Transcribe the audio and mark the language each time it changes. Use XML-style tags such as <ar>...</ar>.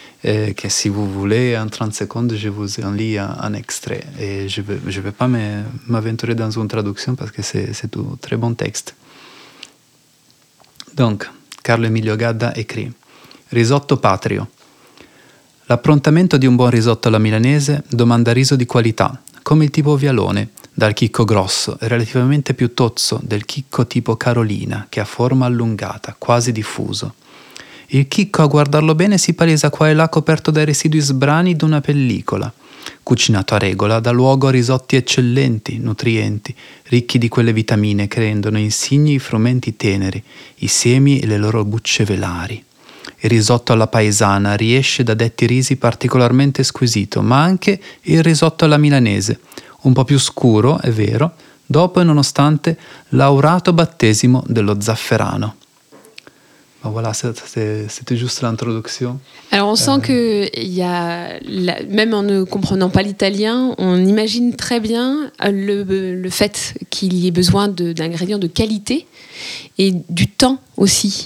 <fr>Que si vous voulez, en 30 secondes, je vous en lis un extrait. Et je ne vais pas m'aventurer dans une traduction parce que c'est un très bon texte. Donc, Carlo Emilio Gadda écrit « Risotto patrio ».</fr> <it>L'approntamento di un buon risotto alla milanese domanda riso di qualità, come il tipo vialone, dal chicco grosso e relativamente più tozzo del chicco tipo carolina, che ha forma allungata, quasi diffuso. Il chicco, a guardarlo bene, si palesa qua e là coperto dai residui sbrani di una pellicola. Cucinato a regola, dà luogo a risotti eccellenti, nutrienti, ricchi di quelle vitamine che rendono insigni i frumenti teneri, i semi e le loro bucce velari. Il risotto alla paesana riesce da detti risi particolarmente squisito, ma anche il risotto alla milanese, un po' più scuro, è vero, dopo e nonostante l'aurato battesimo dello zafferano.</it> <fr>Ma voilà, c'était juste l'introduction. Alors, on sent qu'il y a, même en ne comprenant pas l'italien, on imagine très bien le fait qu'il y ait besoin d'ingrédients de qualité et du temps aussi.</fr>